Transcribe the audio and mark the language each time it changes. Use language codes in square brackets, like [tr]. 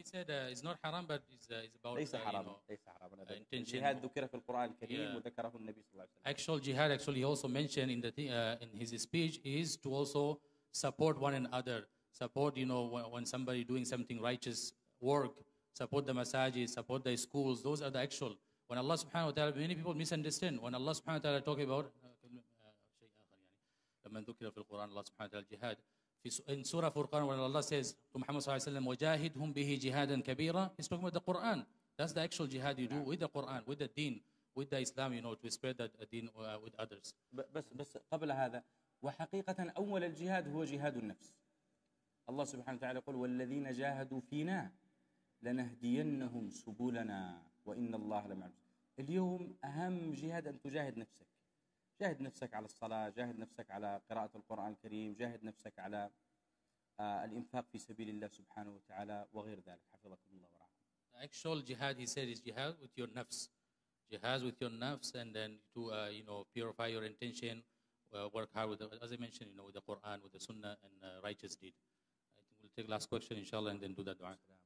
[en] He said it's not haram but it's about [ar] ليس حراما. الجهاد ذكر في القرآن الكريم وذكره النبي صلى الله عليه وسلم. [en] Actual jihad actually he also mentioned in the in his speech is to also support one another, support you know when somebody doing something righteous work, support the masajid, support the schools. Those are the actual. When Allah subhanahu wa ta'ala, many people misunderstand. When Allah subhanahu wa ta'ala talk about [ar] شيء آخر يعني لما ذكر في القرآن الله سبحانه وتعالى الجهاد في [en] in Surah Furqan when Allah says to Muhammad [ar] صلى الله عليه وسلم وجاهدهم به جهادا كبيرا, [en] he's talking about the Quran. That's the actual jihad you do with the Quran, with the deen, with the Islam, you know, to spread that deen with others. [ar] بس قبل هذا وحقيقة أول الجهاد هو جهاد النفس. الله سبحانه وتعالى يقول والذين جاهدوا فينا لنهدينهم سبلنا وإن الله لمع المحسنين. اليوم أهم جهاد أن تجاهد نفسك. جاهد نفسك على الصلاة، جاهد نفسك على قراءة القرآن الكريم، جاهد نفسك على الإنفاق في سبيل الله سبحانه وتعالى وغير ذلك. حفظكم الله ورعاكم. [en] The actual jihad he said is jihad with your nafs. Jihad with your nafs and then to you know purify your intention, work hard with the, as I mentioned you know with the Quran, with the Sunnah and righteous deed. I think we'll take last question inshallah and then do that dua.